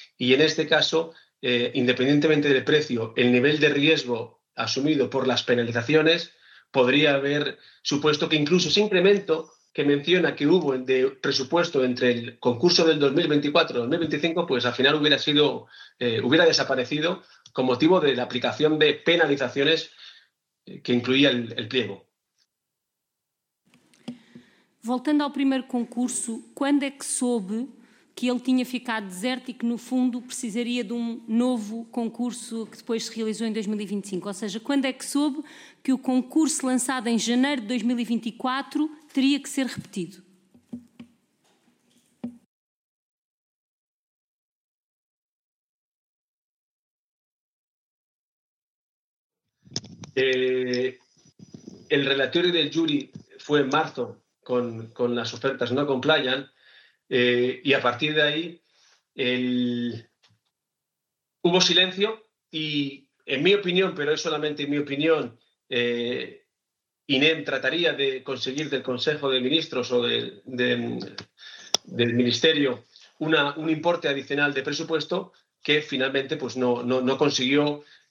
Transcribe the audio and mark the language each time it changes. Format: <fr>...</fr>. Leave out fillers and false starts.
<es>Y en este caso, independientemente del precio, el nivel de riesgo asumido por las penalizaciones podría haber supuesto que incluso ese incremento que menciona que hubo de presupuesto entre el concurso del 2024 y 2025, pues al final hubiera desaparecido con motivo de la aplicación de penalizaciones que incluía el pliego.</es> <pt>Voltando ao primeiro concurso, quando é que soube que ele tinha ficado deserto e que, no fundo, precisaria de um novo concurso que depois se realizou em 2025? Ou seja, quando é que soube que o concurso lançado em janeiro de 2024 teria que ser repetido? El relatório del júri foi em março.</pt> <es>Con las ofertas no compliant, y a partir de ahí hubo silencio y, en mi opinión, pero es solamente mi opinión, INEM trataría de conseguir del Consejo de Ministros o del Ministerio un importe adicional de presupuesto que finalmente pues no conseguiría</es>